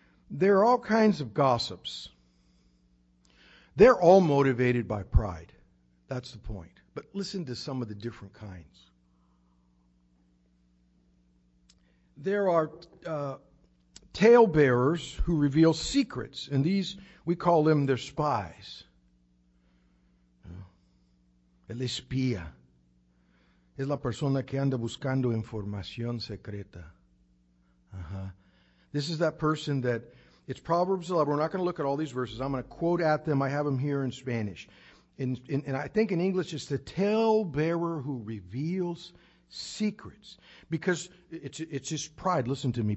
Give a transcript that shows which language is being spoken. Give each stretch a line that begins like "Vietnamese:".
English: There are all kinds of gossips. They're all motivated by pride. That's the point. But listen to some of the different kinds. There are talebearers who reveal secrets, and these, we call them their spies.
Spanish: El espía es la persona que anda buscando información secreta.
English: This is that person that, it's Proverbs 11. We're not going to look at all these verses. I'm going to quote at them. I have them here in Spanish. And I think in English it's the talebearer who reveals secrets, because it's just pride. Listen to me.